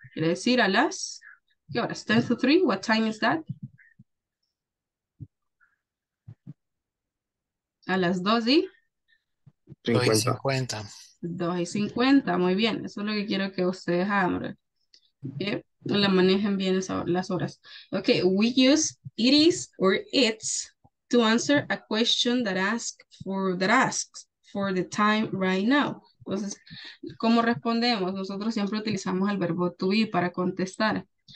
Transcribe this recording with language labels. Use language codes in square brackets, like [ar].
[es] Quiere decir a las, ¿qué horas? 2:50, [en] what time is that? [es] A las 2:50. Muy bien, eso es lo que quiero que ustedes hagan, ¿verdad? Okay. La manejen bien las horas. [en] Okay, we use it is or it's to answer a question that asks for the time right now. [es] Entonces, ¿cómo respondemos? Nosotros siempre utilizamos el verbo to be para contestar.